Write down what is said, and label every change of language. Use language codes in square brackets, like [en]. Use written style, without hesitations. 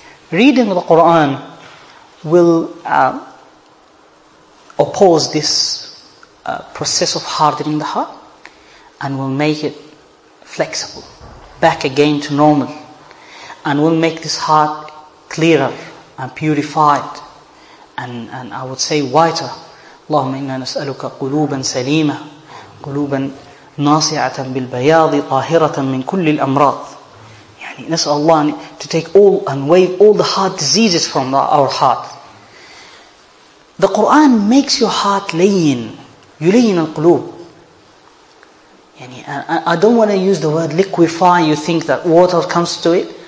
[en] Reading the Quran will oppose this process of hardening the heart and will make it flexible, back again to normal, and will make this heart clearer and purified, and I would say whiter. [ar] اللهم إنا نسألك قلوبا سليمة قلوبا ناصعة بالبياض طاهرة من كل الأمراض. يعني نسأل الله [en] to take all and wave all the heart diseases from our heart. The Quran makes your heart lean, [ar] يلين القلوب. [en] يعني I don't want to use the word liquefy. You think that water comes to it?